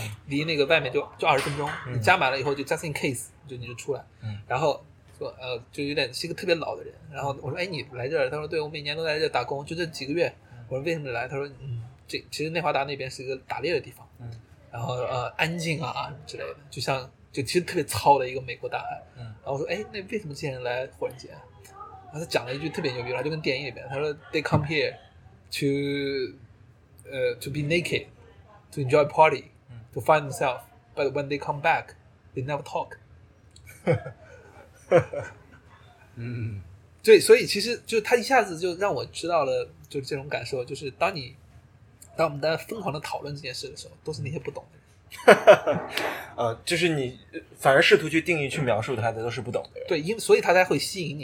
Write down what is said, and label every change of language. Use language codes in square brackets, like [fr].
[zh] 离那个外面就二十分钟，你加满了以后就 [en] just in case [zh] 就你就出来，然后说就有点是一个特别老的人，然后我说哎你来这儿，他说对，我每年都在这打工，就这几个月，我说为什么来，他说嗯，这其实内华达那边是一个打猎的地方，然后安静啊之类的，就像就其实特别糙的一个美国大海。嗯，然后我说哎，那为什么这些人来火人节、啊、然后他讲了一句特别牛逼，他就跟电影里边，他说 [en] they come here to be naked to enjoy party to find themselves but when they come back they never talk。 [zh] 嗯，对，所以其实就他一下子就让我知道了，就是这种感受，就是当我们在疯狂的讨论这件事的时候，都是那些不懂的人。就是你反而试图去定义、去描述他的，都是不懂的人。对，因所以他才会吸引你。